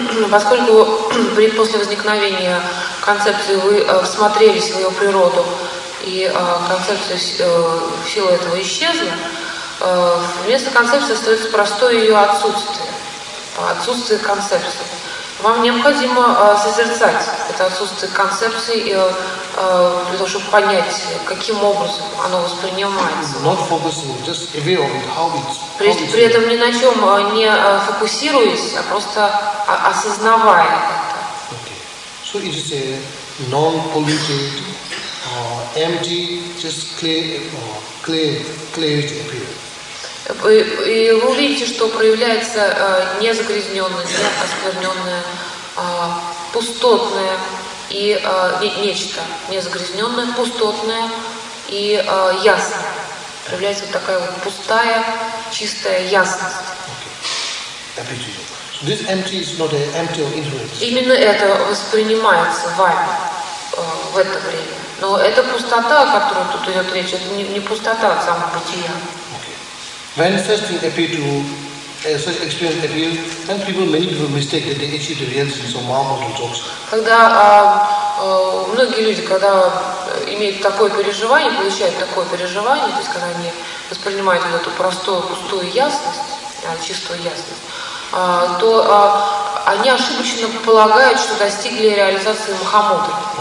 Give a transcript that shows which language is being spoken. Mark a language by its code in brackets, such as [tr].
[ru] Поскольку после возникновения концепции вы всмотрели свою природу, и концепция силы этого исчезла, вместо концепции остается простое ее отсутствие, отсутствие концепции. Вам необходимо созерцать это отсутствие концепции, для того, чтобы понять, каким образом оно воспринимается. [en] Not focusing, just aware of it, how it's, how it's. [ru] При этом ни на чем не фокусируясь, а просто осознавая это. [en] Okay. So it is a non-polluted, empty, just clear appearance. [ru] И вы увидите, что проявляется незагрязненность, неоскверненное, пустотное и нечто. Незагрязненное, пустотное и ясное. Проявляется вот такая вот пустая, чистая ясность. [en] Okay. So this empty is not an empty or ignorant. [ru] Именно это воспринимается вами в это время. Но эта пустота, о которой тут идет речь, это не пустота от самобытия. [en] When such thing appear to such experience appear, then people many people mistake that they achieve the reality of marvels and jokes. [ru] Когда многие люди, когда имеют такое переживание, получают такое переживание, то есть когда они воспринимают вот эту простую пустую ясность, чистую ясность, то они ошибочно полагают, что достигли реализации Махамудры.